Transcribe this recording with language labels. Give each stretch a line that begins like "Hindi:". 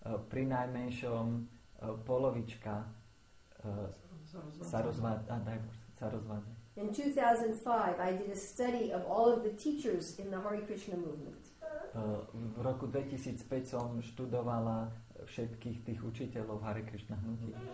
Slovak: Pri najmenšom polovička sa rozvádza.
English: In 2005, I did a study of all of the teachers in the Hare Krishna movement.
Slovak: V roku 2005 som študovala všetkých tých učiteľov v Hare Krishna hnutí.